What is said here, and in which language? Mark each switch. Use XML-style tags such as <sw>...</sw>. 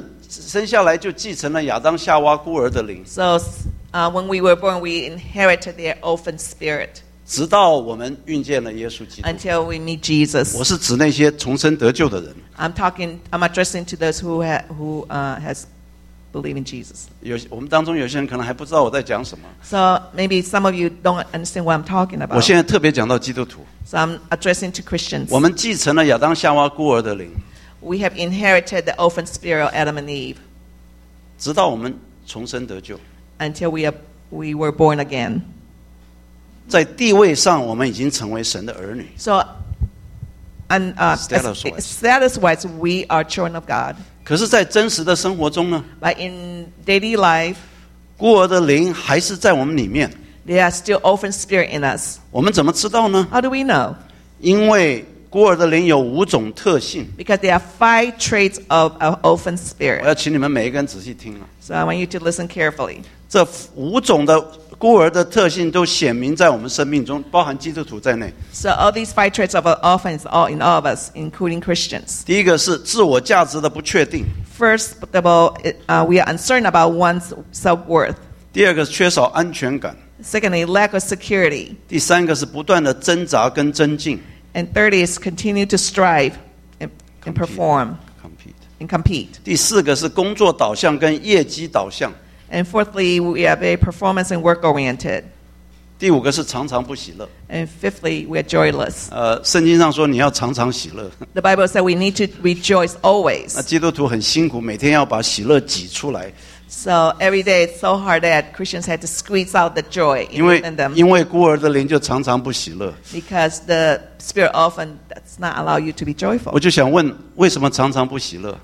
<zh>我们生下来就继承了亚当夏娃孤儿的灵,</zh> <en>so when we were born, we inherited their orphan spirit.</en> <zh>直到我们遇见了耶稣基督,</zh> <en>until we meet Jesus.</en> <zh>我是指那些重生得救的人,</zh> <en>I'm addressing to those who has believe in Jesus.</en> <zh>我们当中有些人可能还不知道我在讲什么。</zh> <en>So maybe some of you don't understand what I'm talking about.</en> <zh>我现在特别讲到基督徒。</zh> <en>So I'm addressing to Christians.</en> <zh>我们继承了亚当夏娃孤儿的灵。</zh> <en>We have inherited the orphan spirit of Adam and Eve.</en> <zh>直到我们重生得救。</zh> <en>Until we were born again.</en> <zh>在地位上我们已经成为神的儿女。</zh> <en>So status-wise, we are children of God.</en> <zh>可是在真实的生活中呢,</zh> <en>but in daily life,</en> <zh>孤儿的灵还是在我们里面,</zh> <en>there are still orphan spirit in us.</en> <zh>我们怎么知道呢?</zh> <en>How do we know?</en> <zh>因为孤儿的灵有五种特性,</zh> <en>because there are five traits of an orphan spirit.</en> <zh>我要请你们每一个人仔细听了,</zh> <en>so I want you to listen carefully.</en> <zh>这五种的孤儿的特性都显明在我们生命中, 包含基督徒在内。</zh> <en>So all these five traits of an orphan is all in all of us, including Christians.</en> <zh>第一个是自我价值的不确定。</zh> <en>First of all, we are uncertain about one's self-worth.</en> <zh>第二个是缺少安全感。</zh> <en>Secondly, lack of security.</en> <zh>第三个是不断的挣扎跟增进。</zh> <en>And third is continue to strive and perform. Compete. And compete.</en> <zh>第四个是工作导向跟业绩导向。</zh> <en>And fourthly, we are very performance and work-oriented.</en> <zh>第五个是常常不喜乐。</zh> <en>And fifthly, we are joyless.</en> <zh>圣经上说你要常常喜乐。</zh> <en>The Bible said we need to rejoice always.</en> <zh>那基督徒很辛苦, 每天要把喜乐挤出来。</zh> <en>So every day it's so hard that Christians had to squeeze out the joy in them.</en> <zh>因为孤儿的灵就常常不喜乐。</zh> <en>Because the spirit often does not allow you to be joyful.</en> <zh>我就想问, 为什么常常不喜乐?</zh>